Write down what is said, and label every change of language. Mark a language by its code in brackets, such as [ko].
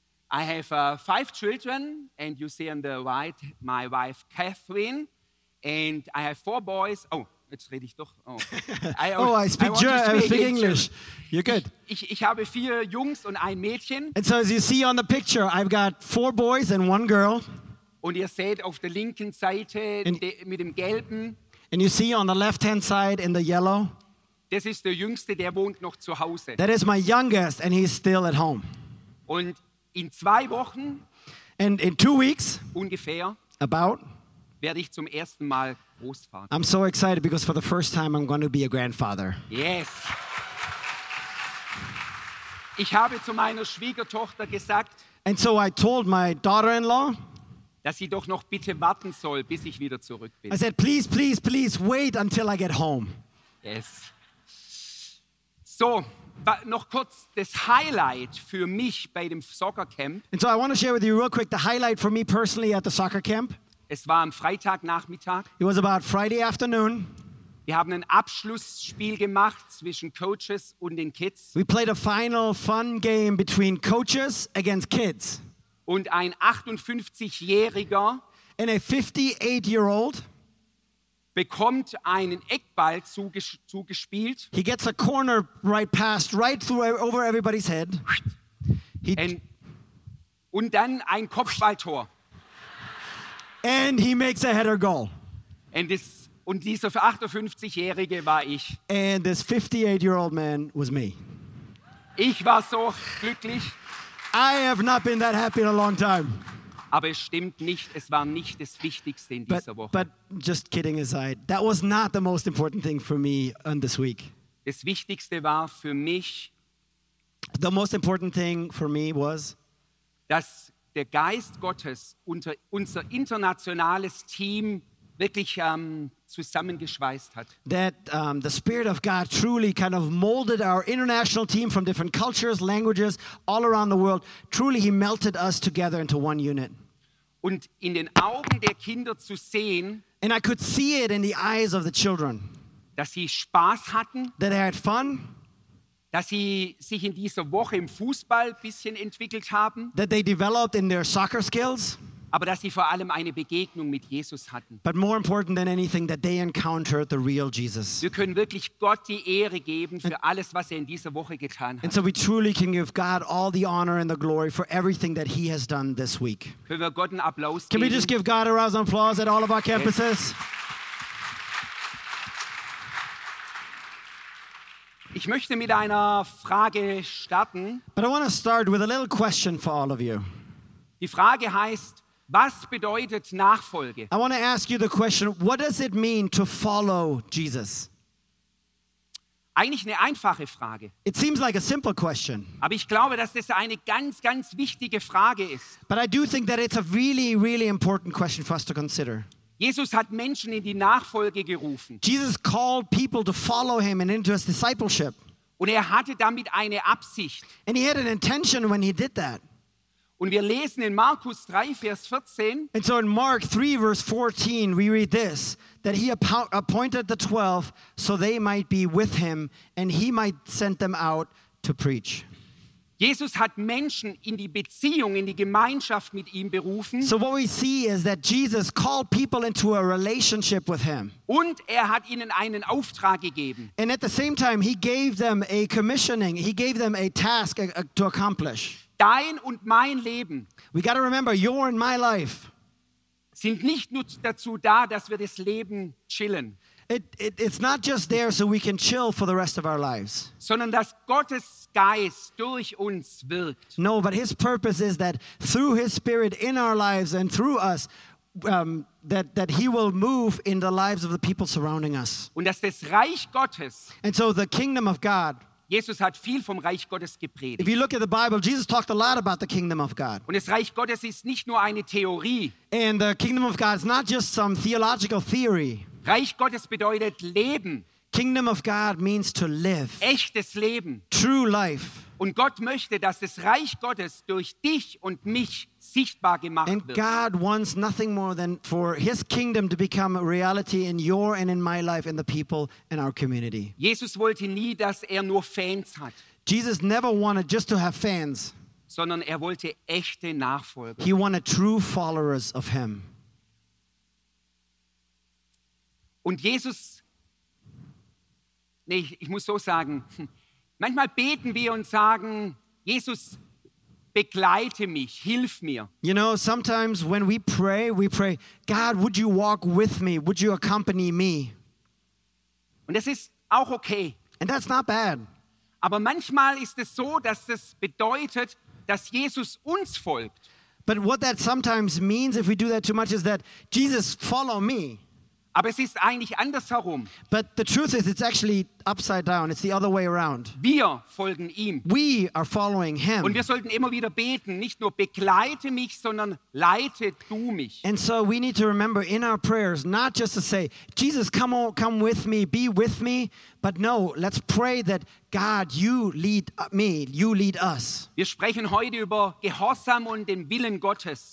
[en] I have 5 children, and you see on the right my wife, Catherine. And I have 4 boys. Oh, [de] jetzt rede ich doch. [en] I speak English. You're good. [de] Ich habe 4 Jungs und ein Mädchen. [en] And so as you see on the picture, I've got 4 boys and 1 girl. [de] Und ihr seht auf der linken Seite mit dem gelben. [en] And you see on the left-hand side in the yellow. [de] Das ist der Jüngste, der wohnt noch zu Hause. [en] That is my youngest and he's still at home. [de] Und in 2 Wochen. [en] And in 2 weeks. [de] Ungefähr. [en] About. [de] Werde ich zum ersten Mal Großvater. [en] I'm so excited because for the first time I'm going to be a grandfather. Yes. [de] Ich habe zu meiner Schwiegertochter gesagt, [en] and so I told my daughter-in-law, [de] dass sie doch noch bitte warten soll, bis ich wieder zurück bin. [en] I said, please, please, please wait until I get home. Yes. [de] So, noch kurz das Highlight für mich bei dem Soccer Camp. [en] And so I want to share with you real quick the highlight for me personally at the soccer camp. [de] Es war am Freitagnachmittag. [en] It was about Friday afternoon. [de] Wir haben ein Abschlussspiel gemacht zwischen Coaches und den Kids. [en] We played a final fun game between coaches against kids. [de] Und ein 58-jähriger [en] and a 58-year-old [de] bekommt einen Eckball zugespielt. [en] He gets a corner right passed right through over everybody's head. [de] Und dann ein Kopfballtor. [en] And he makes a header goal. [de] Und dieser 58-Jährige war ich. [en] And this 58-year-old man was me. [de] Ich war so glücklich. [en] I have not been that happy in a long time. [de] Aber es stimmt nicht, es war nicht das Wichtigste in dieser Woche. [en] But just kidding aside, that was not the most important thing for me on this week. [de] Das Wichtigste war für mich, [en] the most important thing for me was, [de] dass der Geist Gottes unter unser internationales Team wirklich zusammengeschweißt hat. [en] That the Spirit of God truly kind of molded our international team from different cultures, languages, all around the world. Truly he melted us together into one unit. [de] Und in den Augen der Kinder zu sehen, [en] and I could see it in the eyes of the children, [de] dass sie Spaß hatten, [en] that they had fun, [de] dass sie sich in dieser Woche im Fußball ein bisschen entwickelt haben, [en] that they developed in their soccer skills, [de] aber dass sie vor allem eine Begegnung mit Jesus hatten. [en] But more important than anything, that they encountered the real Jesus. [de] Wir können wirklich Gott die Ehre geben für alles, was er in dieser Woche getan hat. [en] And so we truly can give God all the honor and the glory for everything that he has done this week. [de] Können wir Gott einen Applaus geben? [en] Can we just give God a round of applause at all of our campuses? Yes. [de] I Ich möchte mit einer Frage starten. [en] But I want to start with a little question for all of you. [de] Die Frage heißt, was bedeutet Nachfolge? [en] I want to ask you the question, what does it mean to follow Jesus? [de] Eigentlich eine einfache Frage. [en] It seems like a simple question. [de] Aber ich glaube, dass das eine ganz, ganz wichtige Frage ist. [en] But I do think that it's a really, really important question for us to consider. [de] Jesus hat Menschen in die Nachfolge gerufen. [en] Jesus called people to follow him and into his discipleship. [de] Und er hatte damit eine Absicht. [en] And he had an intention when he did that. [de] Und wir lesen in Markus 3, Vers 14. [en] And so in Mark 3, Verse 14, we read this, that he appointed the 12 so they might be with him and he might send them out to preach. [de] Jesus hat Menschen in die Beziehung, in die Gemeinschaft mit ihm berufen. [en] So what we see is that Jesus called people into a relationship with him. [de] Und er hat ihnen einen Auftrag gegeben. [en] And at the same time, he gave them a commissioning. He gave them a task to accomplish. [de] Dein und mein Leben. [en] We got to remember, your and my life. [de] Sind nicht nur dazu da, dass wir das Leben chillen. [en] It's not just there so we can chill for the rest of our lives. [de] Sondern dass Gottes Geist durch uns wirkt. [en] No, but his purpose is that through his spirit in our lives and through us, that he will move in the lives of the people surrounding us. [de] Und dass das Reich Gottes. [en] And so the kingdom of God. [de] Jesus hat viel vom Reich Gottes gepredigt. [en] If you look at the Bible, Jesus talked a lot about the kingdom of God. [de] Und das Reich Gottes ist nicht nur eine Theorie. [en] And the kingdom of God is not just some theological theory. [de] Reich Gottes bedeutet Leben. [en] Kingdom of God means to live. [de] Echtes Leben. [en] True life. [de] Und Gott möchte, dass das Reich Gottes durch dich und mich sichtbar gemacht [en] and [de] wird. [en] And God wants nothing more than for his kingdom to become a reality in your and in my life, in the people in our community. [de] Jesus wollte nie, dass er nur Fans hat. [en] Jesus never wanted just to have fans. [de] Sondern er wollte echte Nachfolger. [en] He wanted true followers of him. [de] Und Jesus, nee, ich muss so sagen, manchmal beten wir und sagen, Jesus, begleite mich, hilf mir. [en] You know, sometimes when we pray, God, would you walk with me? Would you accompany me? [de] Und das ist auch okay. [en] And that's not bad. [de] Aber manchmal ist es so, dass es bedeutet, dass Jesus uns folgt. [en] But what that sometimes means, if we do that too much, is that Jesus, follow me. [de] Aber es ist eigentlich andersherum. [en] But the truth is, it's actually upside down. It's the other way around. [de] Wir folgen ihm. [en] We are following him. [de] Und wir sollten immer wieder beten, nicht nur begleite mich, sondern leite du mich. [en] And so we need to remember in our prayers, not just to say, Jesus, come with me, be with me. But no, let's pray that God, you lead me, you lead us. [de] Wir sprechen heute über Gehorsam und den Willen Gottes.